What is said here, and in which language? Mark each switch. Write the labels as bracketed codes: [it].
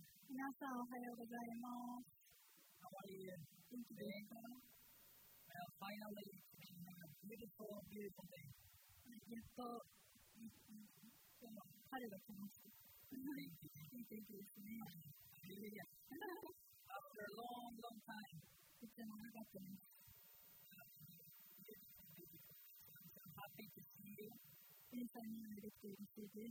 [ja] 皆さん、おはようございます。 [en] How are you? [ja] 元気ですか? [en] Well, finally, it's been a beautiful, beautiful day. [ja] やっと、今日は春が来ました。いい天気ですね。 [en] Hallelujah. After a long, long time. [ja] とても長くなります。皆さんに会えるという嬉しいです